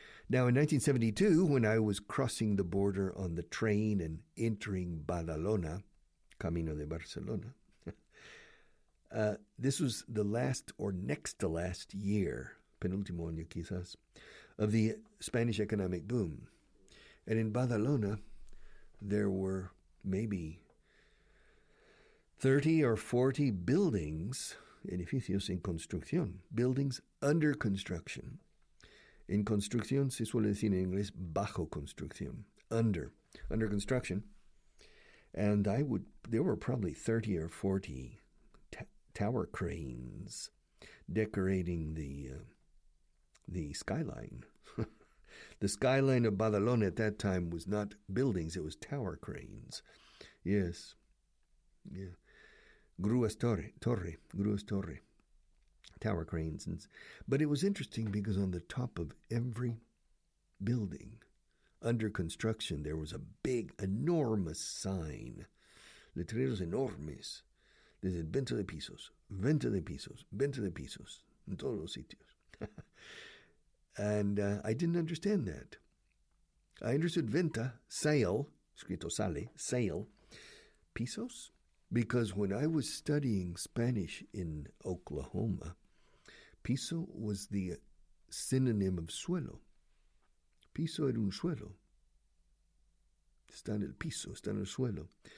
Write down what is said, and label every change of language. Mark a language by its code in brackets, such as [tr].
[en] Now, in 1972, when I was crossing the border on the train and entering Badalona, Camino de Barcelona, this was the last or next to last year, penultimo año quizás, of the Spanish economic boom. And in Badalona, there were maybe 30 or 40 buildings, edificios en construcción, buildings under construction. [es] En construcción se suele decir en inglés bajo construcción, under construction. [en] And there were probably 30 or 40 tower cranes decorating the skyline. The skyline of Badalona at that time was not buildings, it was tower cranes. Yes. Yeah. Gruas Torre. Tower cranes. But it was interesting because on the top of every building under construction, there was a big, enormous sign. [es] Letreros enormes. They said, Venta de pisos. Venta de pisos. Venta de pisos. [en] En todos los sitios. And I didn't understand that. I understood venta, sale, escrito sale, sale, pisos. Because when I was studying Spanish in Oklahoma, piso was the synonym of suelo. [es] Piso era un suelo. Está en el piso, está en el suelo.